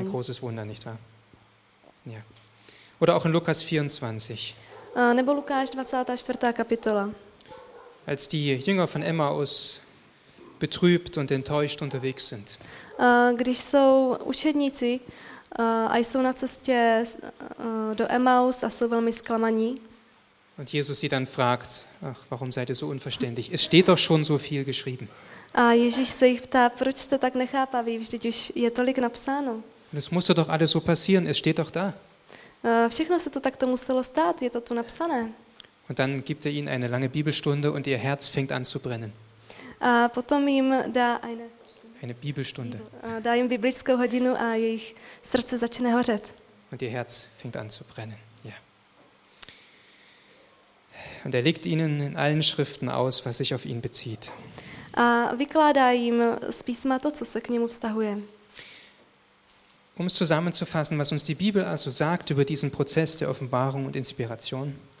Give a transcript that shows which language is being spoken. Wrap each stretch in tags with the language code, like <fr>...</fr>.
<de>Ein großes Wunder, nicht wahr? Ja. Oder auch in Lukas 24.</de> <cs>Nebo Lukáš 24. kapitola.</cs> <de>Als die Jünger von Emmaus betrübt und enttäuscht unterwegs sind.</de> <cs>Když jsou učedníci a jsou na cestě do Emmaus a jsou velmi zklamaní.</cs> <de>Und Jesus sie dann fragt, ach, warum seid ihr so unverständlich? Es steht doch schon so viel geschrieben.</de> <cs>A Ježíš se jich ptá, proč jste tak nechápaví, vždyť už je tolik napsáno.</cs> <de>Und es musste doch alles so passieren, es steht doch da.</de> <cs>Všechno se to takto muselo stát, je to tu napsané.</cs> <de>Und dann gibt er ihnen eine lange Bibelstunde und ihr Herz fängt an zu brennen.</de> <cs>A potom jim dá</cs> <de>eine Bibelstunde.</de> <cs>Dá jim biblickou hodinu a jejich srdce začne hořet.</cs> <de>Und ihr Herz fängt an zu brennen. Ja. Und er legt ihnen in allen Schriften aus, was sich auf ihn bezieht.</de> <cs>A vykládá jim z písma to, co se k němu vztahuje.</cs> <de>Um es zusammenzufassen, was uns die Bibel also sagt über diesen Prozess der Offenbarung und Inspiration.</de>